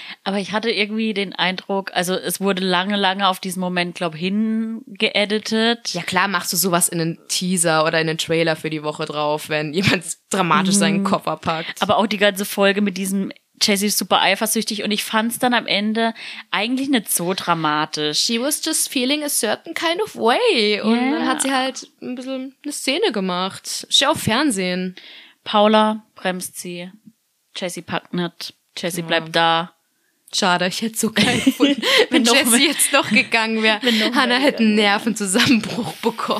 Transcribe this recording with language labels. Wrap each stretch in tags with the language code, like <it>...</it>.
<de>Aber ich hatte irgendwie den Eindruck, also es wurde lange, lange auf diesen Moment, glaube ich, hingeeditet. Ja klar, machst du sowas in einen Teaser oder in einen Trailer für die Woche drauf, wenn jemand dramatisch seinen Koffer packt. Aber auch die ganze Folge mit diesem Jessie ist super eifersüchtig und ich fand es dann am Ende eigentlich nicht so dramatisch.</de> <en>She was just feeling a certain kind of way. Yeah.</en> <de>Und dann hat sie halt ein bisschen eine Szene gemacht. Schau auf Fernsehen. Paula bremst sie. Jessie packt nicht. Jessie bleibt da. Schade, ich hätte so keinen Fun. Wenn Jessie jetzt doch gegangen wäre, Hannah hätte einen Nervenzusammenbruch bekommen.</de>